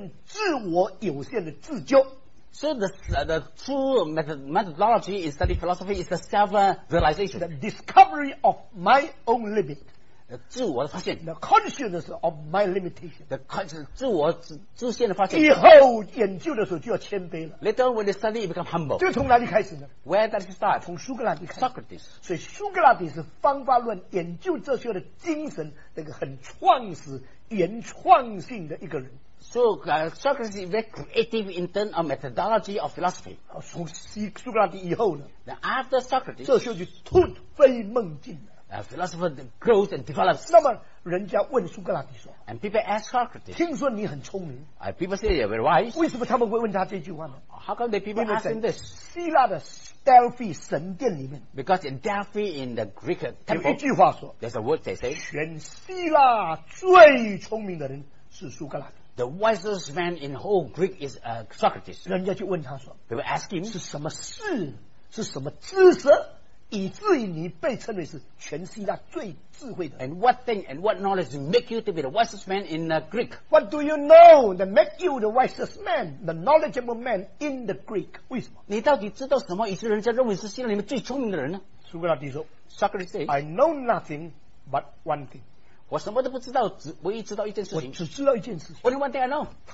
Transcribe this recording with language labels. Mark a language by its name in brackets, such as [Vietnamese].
[Chinese] 那么真正研究哲学的方法论，开始是人自我有限的自救。 [English] So the true methodology in study philosophy is the self-realization, the discovery of my own limit. [Chinese] 自我的发现, [English] the consciousness of my limitation, the consciousness, [Chinese] 自我自现的发现, 以后研究的时候就要谦卑了, [English] later on when they study it becomes humble. [Chinese] 这从哪里开始呢? [English] Where does it start? [Chinese] 从苏格拉底开始, [English] Socrates. [Chinese] 所以苏格拉底是方法论, 研究哲学的精神, 那个很创始原创性的一个人。 [English] So Socrates is very creative in terms of methodology of philosophy. [Chinese] 从苏格拉底以后呢? [English] Then after Socrates, [Chinese] 哲学就突飞猛进了。 [English] Philosopher grows and develops. [Chinese] 那么人家问苏格拉底说, [English] and people ask Socrates, [Chinese] 听说你很聪明, [English] people say you're very wise. [Chinese] 为什么他们会问他这句话呢? [English] How come the people ask him this? [Chinese] 希腊的 Delphi 神殿里面, [English] because in Delphi in the Greek temple, [Chinese] 有一句话说, [English] there's a word they say, [Chinese] 全希腊最聪明的人是苏格拉底。 [English] The wisest man in whole Greek is Socrates. [Chinese] 人家就问他说, [English] they will ask him, [Chinese] 是什么事,是什么知识, 以至于你被称为是全希腊最智慧的。 [English] And what thing and what knowledge make you to be the wisest man in Greek? What do you know that make you the wisest man, the knowledgeable man in the Greek? [Chinese] 为什么? 你到底知道什么以致人家认为是希腊里面最聪明的人呢? 苏格拉底说, [English] Socrates says, I know nothing but one thing. [Chinese] 我什么都不知道，只唯一知道一件事情。我只知道一件事情。 [English] Only one thing I know.